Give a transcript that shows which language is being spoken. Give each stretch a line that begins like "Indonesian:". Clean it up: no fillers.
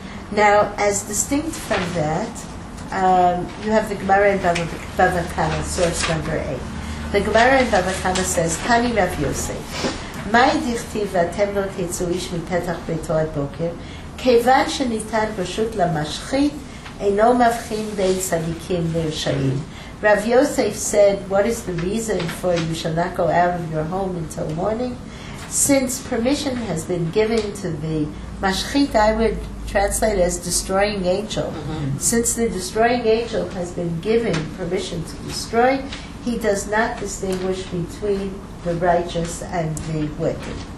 English: Now, as distinct from that, you have the Gemara in Bava Kama, source number 8. The Gemara in Bava Kama says, Tani Rav Yosef.
Hebrew: מה דכתיב ואתם לא תצאו איש מפתח ביתו עד בוקר? כיוון שניתן פשוט למשחית, אינו מבחין בין צדיקים לרשעים.
English: רב יוסף said, what is the reason for you shall not go out of your home until morning? Since permission has been given to the משחית, I would translate as destroying angel. Since the destroying angel has been given permission to destroy, he does not distinguish between the righteous and the wicked.